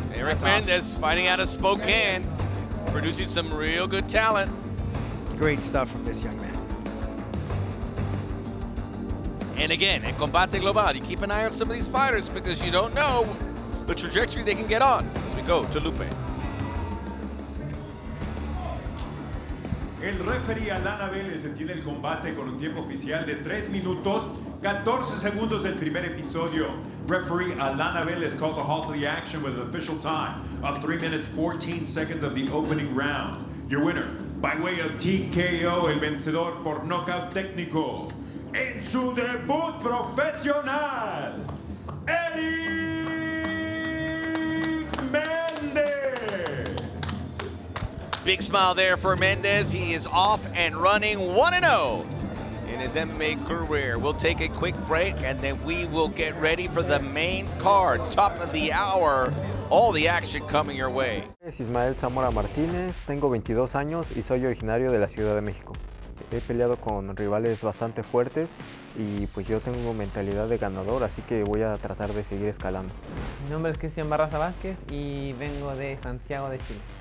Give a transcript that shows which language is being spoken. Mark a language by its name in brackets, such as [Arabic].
[English] Erick Mendez fighting out of Spokane, producing some real good talent. Great stuff from this young man. And again, in Combate Global, you keep an eye on some of these fighters because you don't know the trajectory they can get on as we go to Lupe. [Spanish] El referee Alan Abeles detiene el combate con un tiempo oficial de 3 minutos, 14 segundos del primer episodio. [English] Referee Alan Abeles calls a halt to the action with an official time of 3 minutes 14 seconds of the opening round. Your winner, by way of TKO, [Spanish] el vencedor por knockout técnico, en su debut profesional, Erick Mendez. [English] Big smile there for Mendez. He is off and running 1-0 in his MMA career. We'll take a quick break and then we will get ready for the main card. Top of the hour, all the action coming your way. [Spanish] Es Ismael Zamora Martínez, tengo 22 años y soy originario de la Ciudad de México. he peleado con rivales bastante fuertes y pues yo tengo mentalidad de ganador, así que voy a tratar de seguir escalando. Mi nombre es Cristian Barraza Vázquez y vengo de Santiago de Chile.